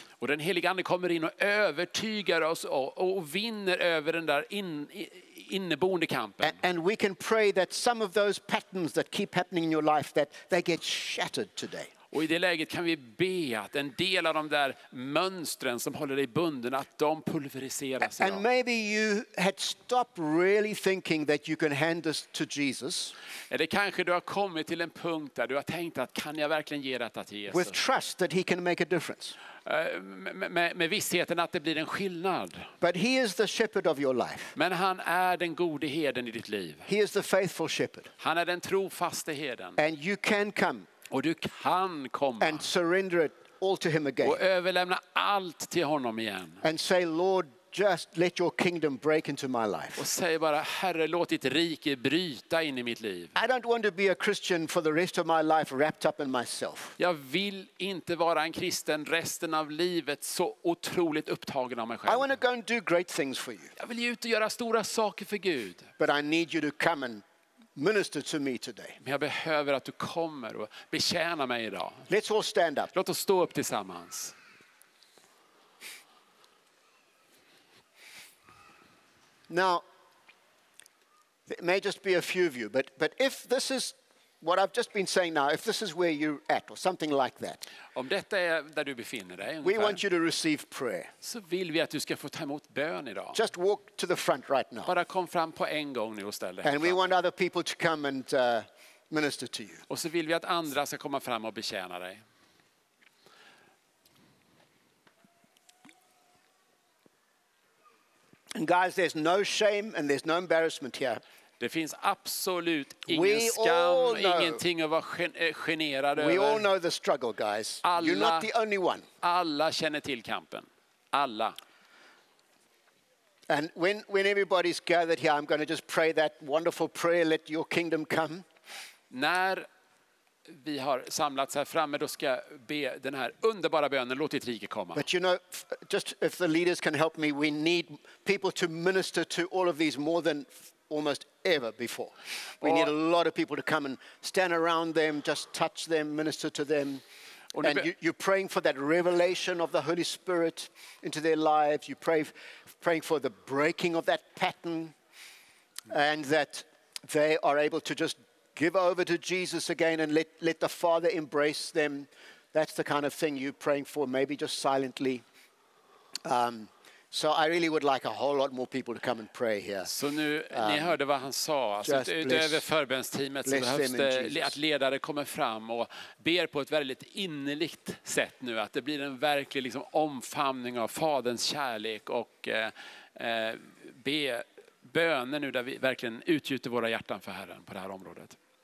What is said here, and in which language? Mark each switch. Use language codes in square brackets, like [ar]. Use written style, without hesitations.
[sv] Och den helige ande kommer in och övertygar oss och vinner över den där inneboende kampen. [en] And we can pray that some of those patterns that keep happening in your life that they get shattered today. [sv] Och i det läget kan vi be att en del av de där mönstren som håller dig bunden att de pulveriseras. [en] And maybe you had stopped really thinking that you can hand this to Jesus. [sv] Eller kanske du har kommit till en punkt där du har tänkt att kan jag verkligen ge detta till Jesus? [en] With trust that he can make a difference. [sv] Med vissheten att det blir en skillnad. [en] But he is the shepherd of your life. [sv] Men han är den gode herden i ditt liv. [en] He is the faithful shepherd. [sv] Han är den trofaste herden. [en] And you can come. [sv] Och du kan komma. [en] And surrender it all to him again. [sv] Och överlämna allt till honom igen. [en] And say, Lord, just let your kingdom break into my life. [sv] Och säg bara, Herre, låt ditt rike bryta in i mitt liv. [en] I don't want to be a Christian for the rest of my life wrapped up in myself. [sv] Jag vill inte vara en kristen resten av livet så otroligt upptagen av mig själv. [en] I want to go and do great things for you. [sv] Jag vill ut och göra stora saker för Gud. [en] But I need you to come and minister to me today. [sv] Men jag behöver att du kommer och betjäna mig idag. [en] Let's all stand up. [sv] Låt oss stå upp tillsammans. [en] Now, it may just be a few of you, but if this is what I've just been saying now, if this is where you're at or something like that. [sv] Om detta är där du befinner dig ungefär. [en] We want you to receive prayer. [sv] Så vill vi att du ska få ta emot bön idag. [en] Just walk to the front right now. [sv] Bara kom fram på en gång nu och ställ dig. [en] And we want other people to come and minister to you. [sv] Och så vill vi att andra ska komma fram och betjäna dig. [en] And guys, there's no shame and there's no embarrassment here. [sv] Det finns absolut ingen skam, ingenting att vara generad över. [en] We all know the struggle, guys. [sv] Alla, [en] you're not the only one. [sv] Alla känner till kampen. Alla. [en] And when everybody's gathered here, I'm going to just pray that wonderful prayer, let your kingdom come. [sv] När vi har samlats här framme, då ska jag be den här underbara bönen, låt ditt rike komma. [en] But you know, just if the leaders can help me, we need people to minister to all of these more than almost ever before. We need a lot of people to come and stand around them, just touch them, minister to them. And you're praying for that revelation of the Holy Spirit into their lives. You praying for the breaking of that pattern and that they are able to just give over to Jesus again and let the Father embrace them. That's the kind of thing you're praying for, maybe just silently. So I really would like a whole lot more people to come and pray here. [sv] Så nu ni hörde vad han sa, alltså utöver förbönsteamet så behövs det att ledare kommer fram och ber på ett väldigt innerligt sätt nu att det blir en verklig liksom omfamning av Faderns kärlek och be böner nu där vi verkligen utgjuter våra hjärtan för Herren på det här området.